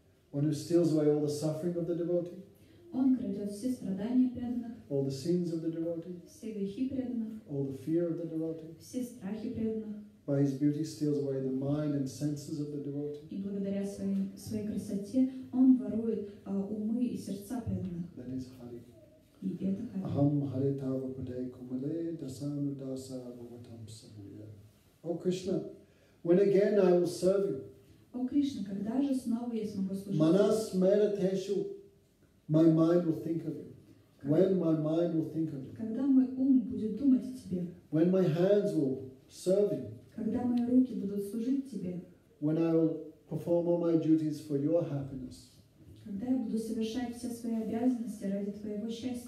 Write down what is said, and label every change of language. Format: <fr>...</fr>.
<en>One who steals away all the suffering of the devotee.</en> <ru>Он крадет все страдания преданных.</ru> <en>All the sins of the devotee.</en> <ru>Все грехи преданных.</ru> <en>All the fear of the devotee.</en> <ru>Все страхи преданных.</ru> <en>By his beauty steals away the mind and senses of the devotee.</en> <ru>И благодаря своей красоте он ворует умы и сердца преданных.</ru> <en>That is Hari.</en> <sa>Aham Hari Tava Pade Kumale Dasanu Dasa Bhavatam Sabuya.</sa> <en>O Krishna, when again I will serve you.</en> <ru>O Krishna, когда же снова я смогу служить?</ru> <sa>Manas Merateshu,</sa> <en>my mind will think of you. When my mind will think of you.</en> <ru>Когда мой ум будет думать о тебе?</ru> <en>When my hands will serve you.</en> <ru>Когда мои руки будут служить тебе?</ru> <en>When I will perform all my duties for your happiness.</en> <ru>Когда я буду совершать все свои обязанности ради твоего счастья.</ru>